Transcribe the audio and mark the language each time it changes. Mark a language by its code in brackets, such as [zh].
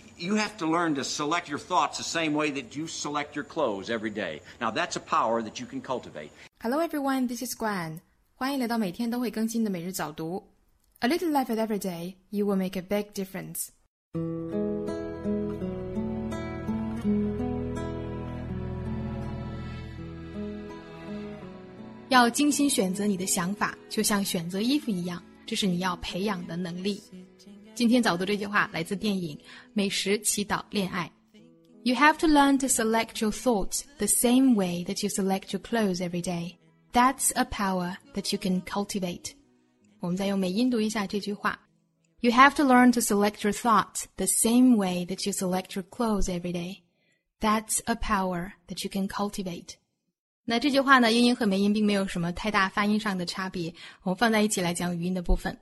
[en] you have to learn to select your thoughts the same way that you select your clothes every day. Now that's a power that you can cultivate. Hello everyone, this is Gwen. [zh] 欢迎来到每天都会更新的每日早读。 [en] A little effort every day, you will make a big difference. [zh] 要精心选择你的想法，就像选择衣服一样，这是你要培养的能力。今天早读这句话来自电影《美食、祈祷、恋爱》。 [en] You have to learn to select your thoughts the same way that you select your clothes every day. That's a power that you can cultivate. [zh] 我们再用美音读一下这句话。 [en] You have to learn to select your thoughts the same way that you select your clothes every day. That's a power that you can cultivate. [zh] 那这句话呢，英音和美音并没有什么太大发音上的差别，我们放在一起来讲语音的部分。